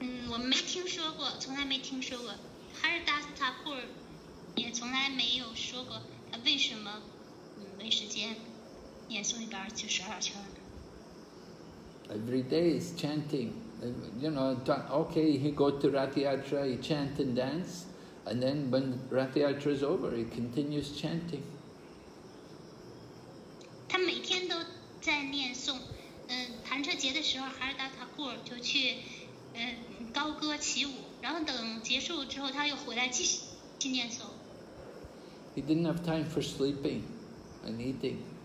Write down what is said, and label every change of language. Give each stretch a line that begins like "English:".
Chinese: 我没听说过，从来没听说过。 Haridas Thakur。也从来没有说过他为什么没时间念诵192圈。
English: Every day is chanting, you know. Okay, he go to Ratiyatra, he chant and dance, and then when Ratiyatra is over, he continues chanting.
Chinese: 他每天都在念诵，弹车节的时候，哈尔达塔库尔就去，高歌起舞，然后等结束之后，他又回来继续念诵。
English: He didn't have time for sleeping and eating.